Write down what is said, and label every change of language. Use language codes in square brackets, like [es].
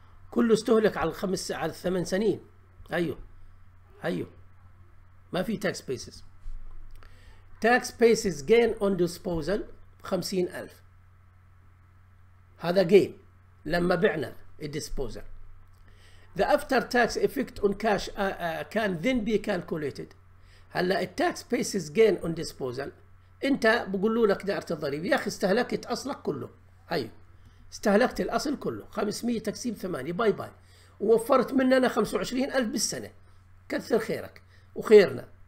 [ar] كله استهلك على الخمس على الثمان سنين. أيوه. ما في [en] tax basis. Tax basis gain on disposal 50,000. [ar] هذا gain لما بعنا الديسبوزر. [en] the after tax effect on cash can then be calculated. [ar] هلا التاكس بيسز جين اون ديسبوزل، انت بقولوا لك دائره الضريبه، يا اخي استهلكت اصلك كله، هي استهلكت الاصل كله 500 تقسيم 8 باي باي، ووفرت مننا 25000 بالسنه، كثر خيرك وخيرنا.